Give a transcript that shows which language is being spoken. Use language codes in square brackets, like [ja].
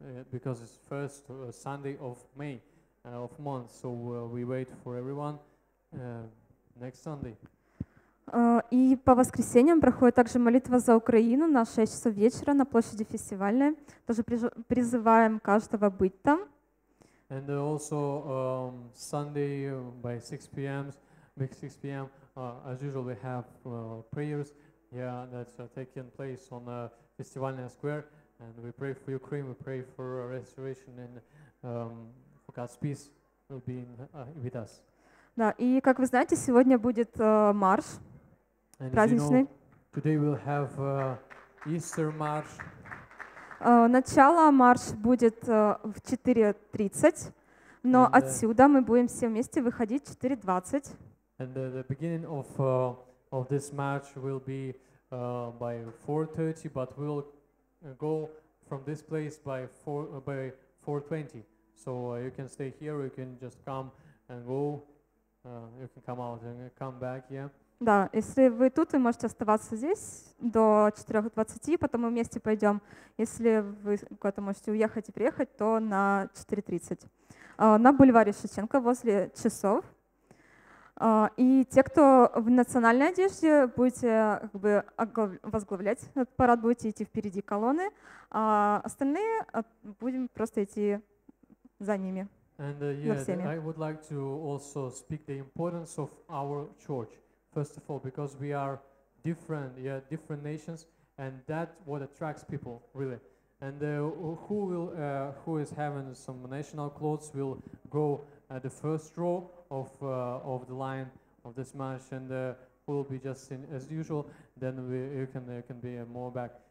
[en] Because it's first Sunday of May of month, so we wait for everyone next Sunday. [ru] И по воскресеньям проходит также молитва за Украину на 6 часов вечера на площади фестивальной. Тоже призываем каждого быть там. [en] And also Sunday by 6 p.m. Big 6 p.m. As usual, we have prayers. Yeah, that's taking place on фестивальная square. And we pray for Ukraine, we pray for restoration and for God's peace will be in, with us. [ru] Да, и как вы знаете, сегодня будет марш праздничный. [en] Today we'll have Easter march. [ru] Начало марш будет в 4:30, но and, отсюда мы будем все вместе выходить в 4:20. [en] And the beginning of this march will be by 4:30, but we'll go from this place by 4:20. So you can stay here, you can just come and go. You can come out and come back, yeah. [ru] Да, если вы тут, вы можете оставаться здесь до 4:20, потом мы вместе пойдем. Если вы куда-то можете уехать и приехать, то на 4:30. На бульваре Шевченко возле часов. И те, кто в национальной одежде, будете как бы возглавлять этот парад, будете идти впереди колонны, а остальные будем просто идти за ними. [en] And I would like to also speak the importance of our church, first of all, because we are different, yeah, different nations, and that's what attracts people, really. And who is having some national clothes will go at the first row of the line of this match, and who will be just in, as usual, then you can be more back.